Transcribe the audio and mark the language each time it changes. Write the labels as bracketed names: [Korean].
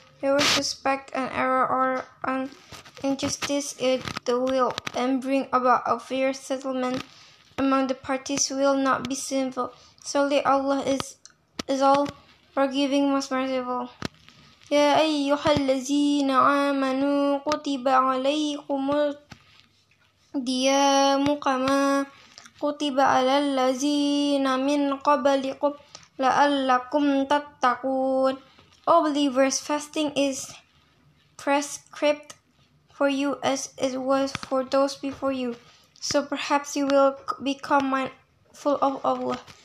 [English] Whoever suspects an error or an injustice, it the will and bring about a fair settlement among the parties will not be sinful. Surely Allah is all forgiving, most merciful. [Arabic] يا أيها الذين آمنوا كتب عليكم الصيام كما كتب على الذين من قبلكم لعلكم تتقون. [English] O believers, fasting is prescribed for you as it was for those before you, so perhaps you will become mindful of Allah.